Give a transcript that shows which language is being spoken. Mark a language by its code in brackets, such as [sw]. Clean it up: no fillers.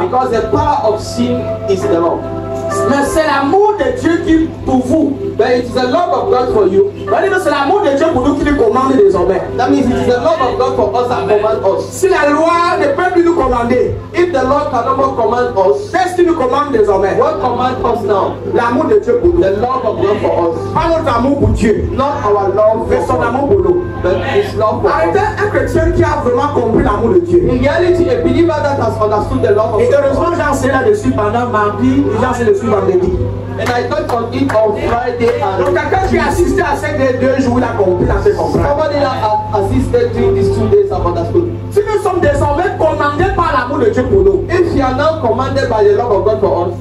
[en] Because the power of sin is the law. [fr] Mais c'est l'amour de Dieu qui pour vous. [en] But it is the love of God for you. [fr] Mais c'est l'amour de Dieu pour nous qui nous commande désormais. [en] That means it is the love of God for us that commands us. [fr] Si la loi ne peut plus nous commander, [en] if the law cannot more command us, [fr] qu'est-ce qui nous commande désormais? [en] What commands us now? [fr] L'amour de Dieu pour nous. [en] The love of God for us. [fr] Pas notre amour pour Dieu. [en] Not our love. [fr] Mais son amour pour nous. [en] But his love for us. [fr] Un chrétien qui a vraiment compris l'amour de Dieu. [en] In reality, a believer that has understood the love of God. [fr] Et heureusement, j'ai enseigné là-dessus pendant ma vie. J'ai enseigné dessus vendredi. [en] And I taught on it on Friday. And [fr] donc quand tu as assisté à ces deux jours, la compréhension comprend. [en] Somebody that has assisted during these 2 days of understood. [fr] Si nous sommes désormais commandés par l'amour de Dieu pour nous, [en] if you are now commanded by the love of God for us,